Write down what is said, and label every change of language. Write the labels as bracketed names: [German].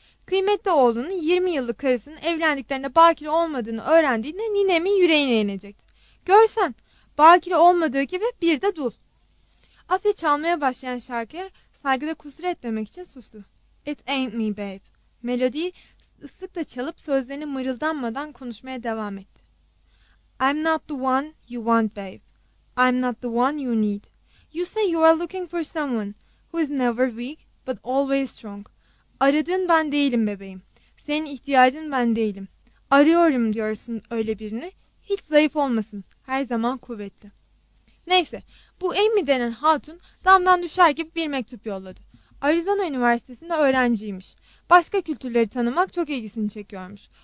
[Turkish] Kıymetli oğlunun 20 yıllık karısının evlendiklerinde bakire olmadığını öğrendiğinde ninemin yüreğine inecekti. Görsen, bakire olmadığı gibi bir de dul. Asya çalmaya başlayan şarkıya saygıda kusur etmemek için sustu. [English] It ain't me babe. [Turkish] Melodiyi ıslıkla çalıp sözlerini mırıldanmadan konuşmaya devam etti. [English] I'm not the one you want babe. I'm not the one you need. You say you are looking for someone who is never weak but always strong. [Turkish] Aradığın ben değilim bebeğim. Senin ihtiyacın ben değilim. Arıyorum diyorsun öyle birini. Hiç zayıf olmasın. Her zaman kuvvetli. Neyse, bu Amy denen hatun damdan düşer gibi bir mektup yolladı. Arizona Üniversitesi'nde öğrenciymiş. Başka kültürleri tanımak çok ilgisini çekiyormuş.